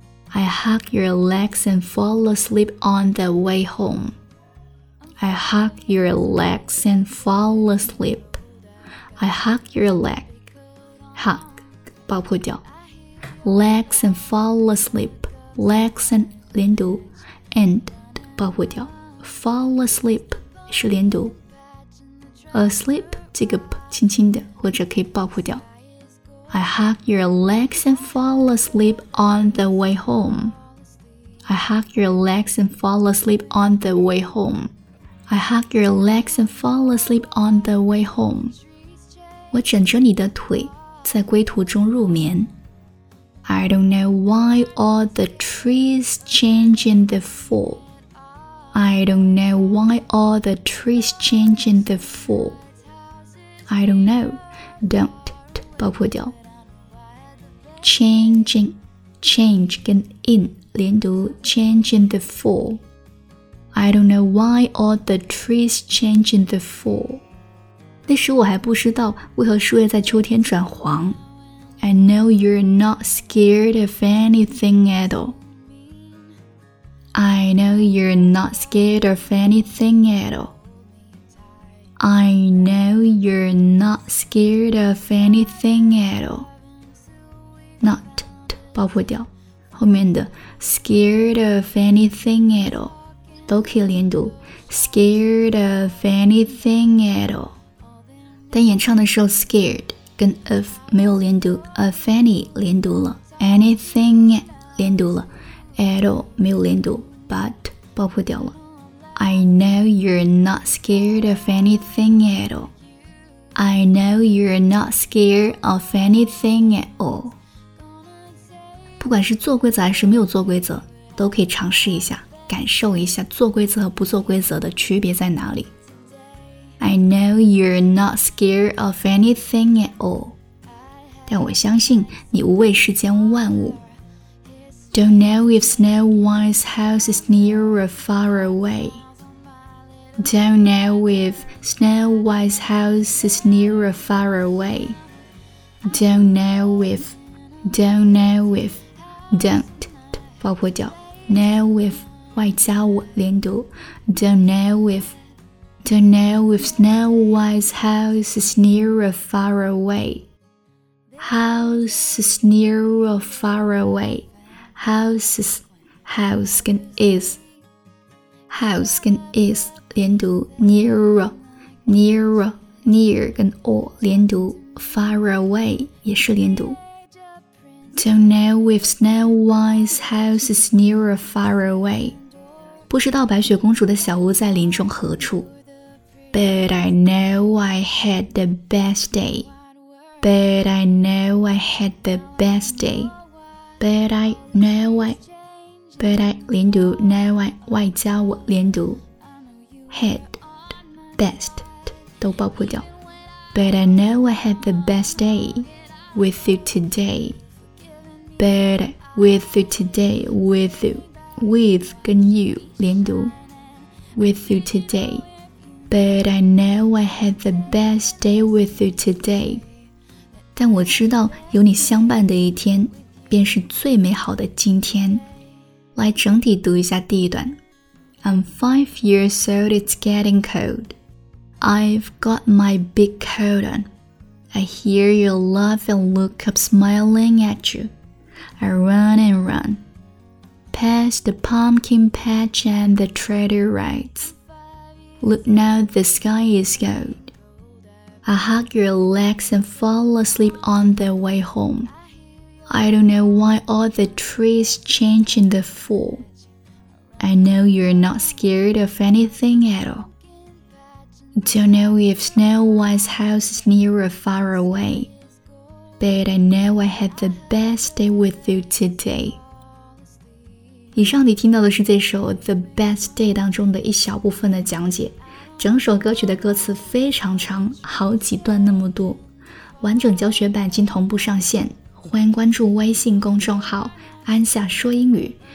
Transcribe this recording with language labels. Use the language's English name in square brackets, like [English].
[English] I hug your legs and fall asleep on the way home. I hug your legs and fall asleep. I hug your leg. Hug, [Chinese] 爆破掉。 [English] Legs and fall asleep. Legs and [Chinese] 连读。 And, 爆破掉。 Fall asleep 是连读。 Asleep, 这个 p, 轻轻的或者可以爆破掉。 [English] I hug your legs and fall asleep on the way home. I hug your legs and fall asleep on the way home. I hug your legs and fall asleep on the way home. [Chinese] 我枕着你的腿在归途中入眠。 [English] I don't know why all the trees change in the fall. I don't know why all the trees change in the fall. I don't know. Don't, [Chinese] 爆破掉。 [English] Changing, change 跟 in [Chinese] 连读 [English] change in the fall. I don't know why all the trees change in the fall. [Chinese] 那时我还不知道为何树叶在秋天转黄。 [English] I know you're not scared of anything at all. I know you're not scared of anything at all. I know you're not scared of anything at all. Not, [Chinese] 爆破掉，后面的 [English] scared of anything at all [Chinese] 都可以连读 [English] scared of anything at all [Chinese] 但演唱的时候 scared 跟 of 没有连读 of any 连读了 [English] anything [Chinese] 连读了 [English] at all [Chinese] 没有连读 but 爆破掉了 [English] I know you're not scared of anything at all I know you're not scared of anything at all [Chinese] 不管是做规则还是没有做规则都可以尝试一下感受一下做规则和不做规则的区别在哪里 [English] I know you're not scared of anything at all [Chinese] 但我相信你无畏世间万物 [English] Don't know if Snow White's house is near or far away Don't know if Snow White's house is near or far away Don't know if Don't know ifDon't, [Chinese] 爆破掉 Know if, 外加我连读 [English] Don't know if Don't know if Snow White's house is near or far away House is near or far away House is House [Chinese] 跟 [English] is House [Chinese] 跟 [English] is [Chinese] 连读 [English] Near Near [Chinese] Near 跟 or 连读 [English] Far away [Chinese] 也是连读 [English] Don't know if Snow White's house is near or far away. [Chinese] 不知道白雪公主的小屋在林中何处。 [English] But I know I had the best day. But I know I had the best day. But I know I... But I... [Chinese] 连读 know I... 外加我连读 Had... Best... 都爆破掉。 [English] But I know I had the best day with you today. But with you today, with you, with [Chinese] 跟 you 连读 [English] with you today. But I know I had the best day with you today. [Chinese] 但我知道有你相伴的一天便是最美好的今天。来整体读一下第一段。 [English] I'm 5 years old, it's getting cold. I've got my big coat on. I hear your love and look up smiling at you. I run and run, past the pumpkin patch and the trader rides. Look now the sky is gold. I hug your legs and fall asleep on the way home. I don't know why all the trees change in the fall. I know you're not scared of anything at all. Don't know if Snow White's house is near or far away. But I know I had the best day with you today. [Chinese] 以上你听到的是这首 The Best Day 当中的一小部分的讲解。整首歌曲的歌词非常长，好几段那么多。完整教学版已经同步上线，欢迎关注微信公众号安夏说英语。